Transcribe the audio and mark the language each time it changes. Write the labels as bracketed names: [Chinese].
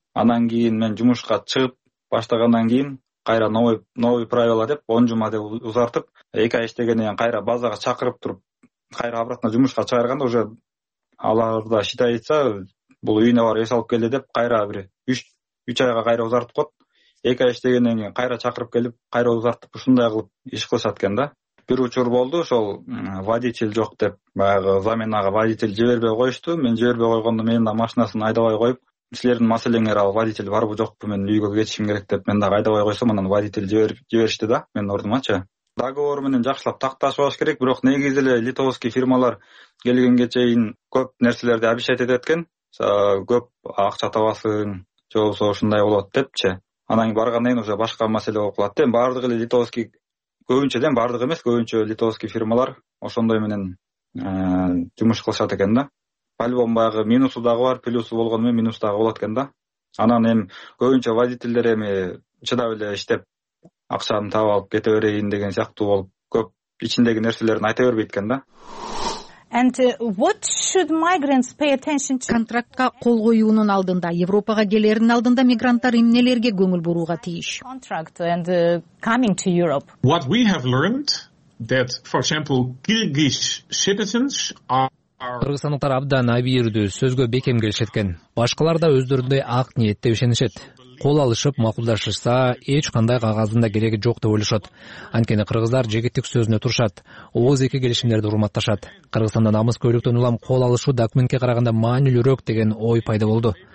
[Kyrgyz] Анан кийин мен жумушка чыгып баштагандан кийин кайра [Russian] новый правила [Kyrgyz] деп 10 жума деп узартып, 2 ай иштегенден кийин кайра базага чакырып туруп, кайра обратно жумушка чыгарганда уже аларда считается, бул үйүнө барып эс алып келди деп кайра бир 3 айга кайра узартып коет. 2 ай иштегенден кийин кайра чакырып келип, кайра узартып ушундай кылып иш кылышат экен да. Бир учур болду, ошол водитель жок деп баягы заменага водитель жибербей коюшту. Мен жибербей койгондо менин да машинасын айдабай коюп, силердин маселеңер ал водитель барбы жокпу, мен үйгө кетишим керек деп мен дагы айдабай койсом, анан водитель жиберишти да менин ордумачы. Договор менен жакшылап такташпаш керек, бирок негизи эле литовский фирмалар келгенге чейин көп нерселерди обещать этет экен, көп акча табасың, же болбосо ушундай болот депчи. Анан кийин баргандан кийин уже башка маселе болуп калат да. Баардыгы эле литовский, көбүнчө дем баардыгы эмес, көбүнчө литовский фирмалар ошондой менен жумуш кылышат экен да. По-любому баягы минусу дагы бар, плюсу болгону менен минусу дагы болот экен да. Анан эми көбүнчө водительдер эми чыдап эле иштеп акчаны таап алып кете берейин деген сыяктуу болуп, көп ичиндеги нерселерин айта бербейт экен да. [English] And what should migrants pay attention to? [Kyrgyz] Контрактка кол коюунун алдында, Европага келеринин алдында мигранттар эмнелерге көңүл бурууга тийиш? [English] Contract and coming to Europe. What we have learned that, for example, Kyrgyz citizens are... [Kyrgyz] Кыргызстандыктар абдан абийирдүү, сөзгө бекем келишет экен. Башкалар да өздөрүндөй ак ниетте ишенишет. Кол алышып макулдашышса, эч кандай кагазында кереги жок деп ойлошот. Анткени кыргыздар жегиттик сөзүнө турушат, ооз эки келишимдерди урматташат. Кыргызстанда намыс көйлөктөн улам кол алышуу документке караганда маанилүүрөөк деген ой пайда болду.